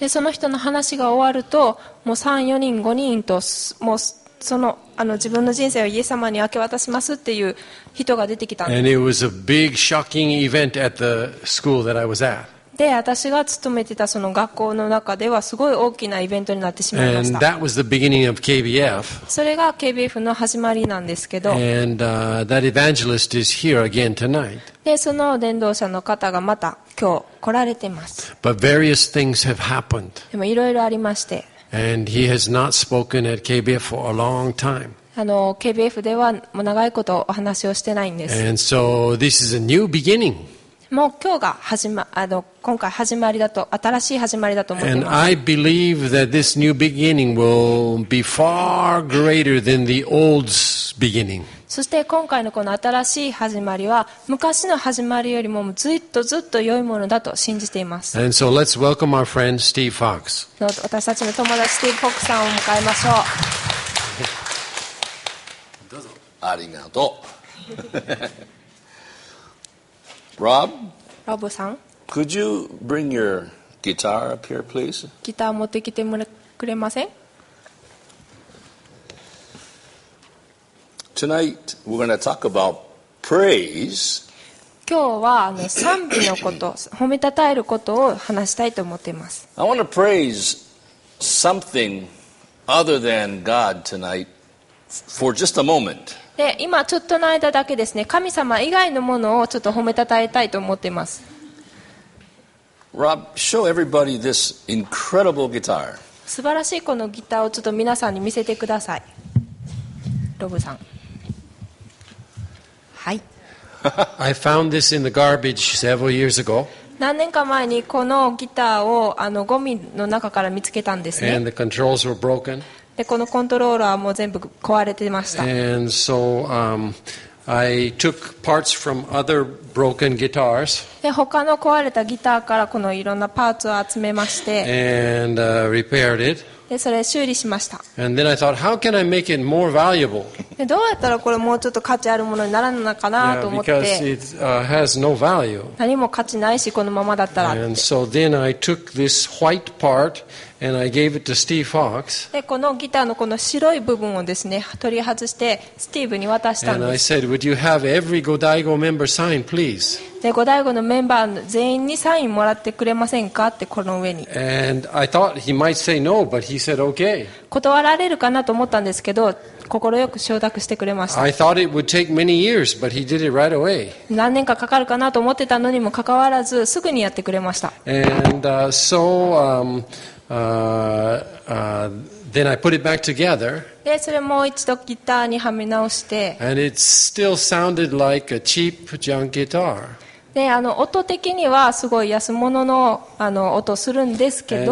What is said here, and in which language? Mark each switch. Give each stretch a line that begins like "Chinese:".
Japanese: で、その人の話が終わると、もう3、4人、5人と、もうその、自分の人生をイエス様に明け渡しますっていう人が出てきたんです。
English: And it was a big, shocking event at the school that I was at.
Japanese: で、私が勤めてたその学校の中ではすごい大きなイベントになってしまいました。
English: And that was the beginning of KBF.
Japanese: それが KBF の始まりなんですけど。
English: And, that evangelist is here again tonight.
Japanese: で、その伝道者の方がまた今日来られています。
English: But various things have happened.
Japanese: でもいろいろありまして。
English: And he has not spoken at KBF for a long time.
Japanese: KBF ではもう長いことお話をしてないんです。
English: And so this is a new beginning.
Japanese: もう今日が始ま、今回始まりだと、新しい始まりだと思っています
English: And I believe that this new beginning will be far greater than the old beginning.
Japanese: そして今回のこの新しい始まりは、昔の始まりよりもずっとずっと良いものだと信じています。
English: And so let's welcome our friend Steve Fox.
Japanese: 私たちの友達スティーブ・フォックスさんを迎えましょう。どうぞ。ありがとう。Rob? Rob さん?
English: Could you bring your guitar up here, please?
Japanese: ギター持ってきてくれません?
English: Tonight, we're going to talk about praise.
Japanese: 今日は賛美のこと、褒めたたえることを話したいと思っています。
English: I want to praise something other than God tonight for just a moment.
Japanese: で今ちょっとの間だけですね、神様以外のものをちょっと褒めたたえたいと思っています。
English: Rob, show everybody this incredible guitar.
Japanese: 素晴らしいこのギターをちょっと皆さんに見せてください。ロブさん、はい。
English: I found this in the garbage several years ago.
Japanese: 何年か前にこのギターをゴミの中から見つけたんですね。
English: And the controls were broken.
Japanese: でこのコントローラーはもう全部壊れてました。
English: And so, I took parts from other broken guitars.
Japanese: で他の壊れたギターからこのいろんなパーツを集めまして、
English: And, repaired it.
Japanese: でそれ修理しました。
English: And then I thought, how can I make it more valuable?
Japanese: でどうやったらこれもうちょっと価値あるものにならないのかなと思って、
English: Yeah, because it, has no value.
Japanese: 何も価値ないしこのままだったらって。
English: And so then I took this white part. And I gave it to Steve Fox.
Japanese: でこのギターのこの白い部分をですね取り外してスティーブに渡したんです。
English: And I said, would you have every Godaigo member sign, please?
Japanese: で Godaigo のメンバー全員にサインもらってくれませんかってこの上に。
English: And I thought he might say no, but he said okay.
Japanese: 断られるかなと思ったんですけど。心よく承諾してくれました。
English: I thought it would take many years, but he did it right away.
Japanese: 何年かかかるかなと思ってたのにもかかわらずすぐにやってくれました。
English: And so, then I put it back together.
Japanese: で、それもう一度ギターにはめ直して。
English: And it still sounded like a cheap junk guitar.
Japanese: で音的にはすごい安物 の, 音するんですけど。